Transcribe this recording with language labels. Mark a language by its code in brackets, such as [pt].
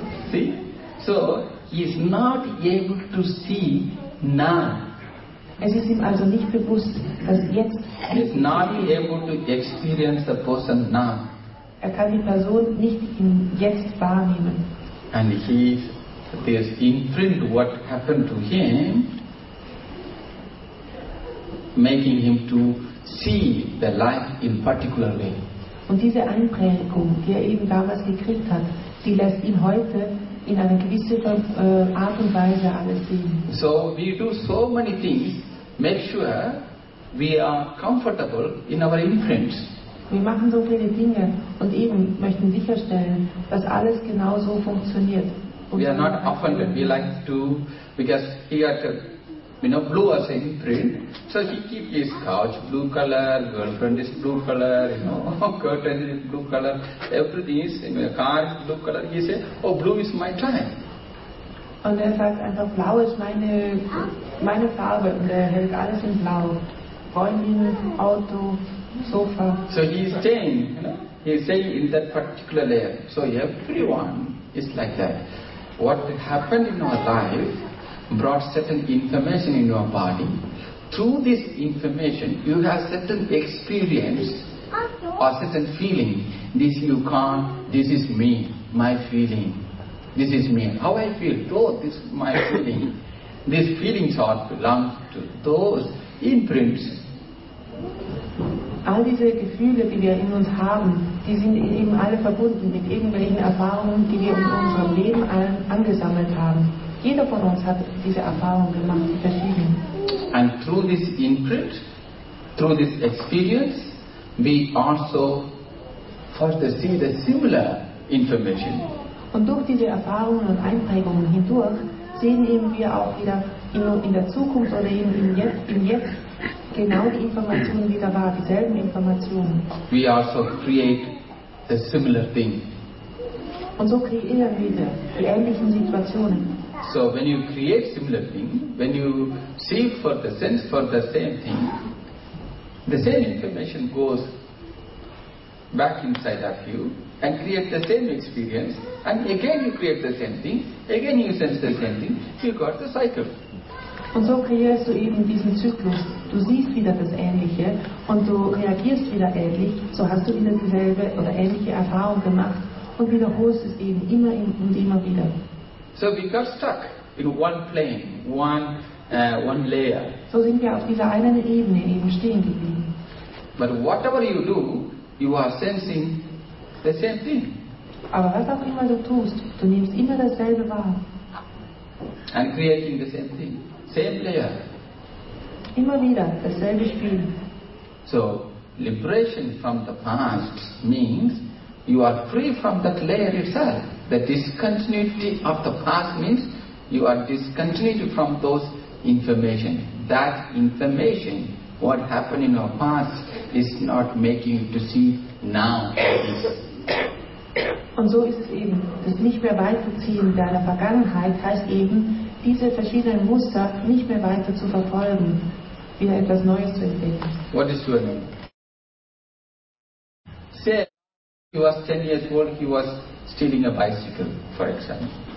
[en] See? So, he is not able to see now. [de] Es ist ihm also nicht bewusst, dass jetzt. [en] He is not able to experience the person now. [de] Er kann die Person nicht im Jetzt wahrnehmen. [en] And he is this imprint what happened to him, making him to see the life in particular way. [de] Und diese Einprägung, die er eben damals gekriegt hat, die lässt ihn heute in einer gewissen Art und Weise alles sehen. [en] So we do so many things make sure we are comfortable in our imprints. [de] Wir machen so viele Dinge und eben möchten sicherstellen, dass alles genau so funktioniert. [en] We are not offended. We like to, because he had to, you know, blue as an imprint. So he keeps his couch blue color, girlfriend is blue color, you know, curtain is blue color, everything is in the car is blue color. He says, oh, blue is my time. [de] Und er sagt einfach, blau ist meine Farbe. Und er hält alles in blau. Freundin, Auto, Sofa. [en] So he is staying, you know, he is staying in that particular layer. So everyone is like that. What happened in our life brought certain information in your body. Through this information, you have certain experience or certain feeling. This you can't, this is me, my feeling. This is me. How I feel? Though this is my feeling. These feelings are belong to those imprints. [de] All diese Gefühle, die wir in uns haben, die sind eben alle verbunden mit irgendwelchen Erfahrungen, die wir in unserem Leben angesammelt haben. Jeder von uns hat diese Erfahrung gemacht, verschieden. [en] And through this imprint, through this experience, we also further see the similar information. [de] Und durch diese Erfahrungen und Einprägungen hindurch sehen eben wir auch wieder in der Zukunft oder eben im Jetzt genau die Informationen wieder wahr, dieselben Informationen. [en] We also create a similar thing. [de] Und so kreieren wir die ähnlichen Situationen. [en] So when you create similar thing, when you see for the sense for the same thing, the same information goes back inside of you and create the same experience, and again you create the same thing, again you sense the same thing, you got the cycle. [de] Und so kreierst du eben diesen Zyklus. Du siehst wieder das Ähnliche und du reagierst wieder ähnlich, so hast du wieder dieselbe oder ähnliche Erfahrung gemacht und wiederholst es eben immer und immer wieder. [en] So we got stuck in one plane, one layer. [de] So sind wir auf dieser einen Ebene eben stehen geblieben. [en] But whatever you do, you are sensing the same thing. [de] Aber was auch immer du tust, du nimmst immer dasselbe wahr. [en] And creating the same thing. Same layer. [de] Immer wieder dasselbe Spiel. [en] So, liberation from the past means you are free from that layer itself. The discontinuity of the past means you are discontinued from those information. That information, what happened in your past, is not making you to see now. [de] Und so ist es eben. Das nicht mehr weiterziehen deiner Vergangenheit heißt eben, diese verschiedenen Muster nicht mehr weiter zu verfolgen, wieder etwas Neues zu entdecken. [en] What is your name? Say, he was 10 years old, he was stealing a bicycle, for example.